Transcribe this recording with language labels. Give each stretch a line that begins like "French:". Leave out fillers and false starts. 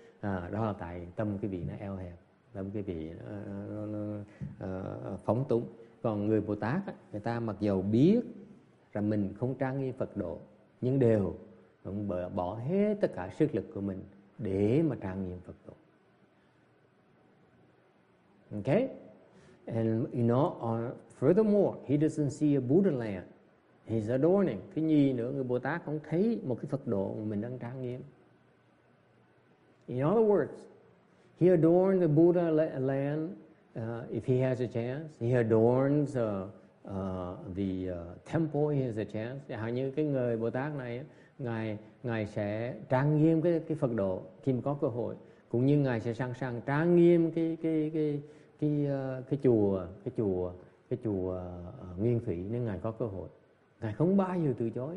Vietnamese: Đó là tại tâm quý vị nó eo hẹp, tâm quý vị nó phóng túng. Còn người Bồ Tát, người ta mặc dầu biết rằng mình không trang nghiêm Phật độ, nhưng đều vẫn bỏ hết tất cả sức lực của mình để mà trang nghiêm Phật độ. Okay?
English: And you know, furthermore, he doesn't see a Buddha land. He's adorning.
Vietnamese: Thứ nhì nữa, người Bồ Tát không thấy một cái Phật độ mà mình đang trang nghiêm.
English: In other words, he adorns the Buddha land if he has a chance. He adorns the temple, he has a chance.
Vietnamese: Thì hầu như cái người Bồ Tát này, ngài sẽ trang nghiêm cái Phật độ khi mà có cơ hội, cũng như ngài sẽ sẵn sàng trang nghiêm cái cái cái cái chùa Nguyên Thủy, nếu ngài có cơ hội, ngài không bao giờ từ chối.